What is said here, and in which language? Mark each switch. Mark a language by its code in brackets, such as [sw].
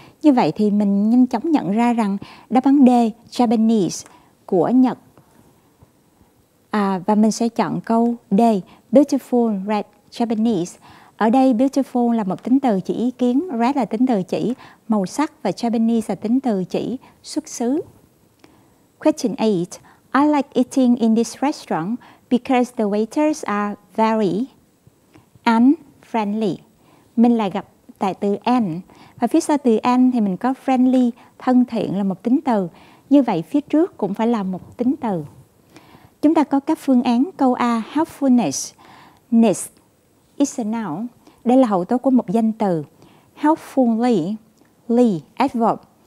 [vi] Như vậy thì mình nhanh chóng nhận ra rằng đáp án D, Japanese, của Nhật Và mình sẽ chọn câu D, [en] beautiful red Japanese. [vi] Ở đây beautiful là một tính từ chỉ ý kiến, red là tính từ chỉ màu sắc và Japanese là tính từ chỉ xuất xứ. [en] Question 8. I like eating in this restaurant because the waiters are very and friendly. [vi] Mình lại gặp tại từ and. Và phía sau từ and thì mình có friendly, thân thiện là một tính từ. Như vậy phía trước cũng phải là một tính từ. Chúng ta có các phương án. Câu A, [en] helpfulness. Ness is a noun. [vi] Đây là hậu tố của một danh từ. Helpfully, ly, adverb.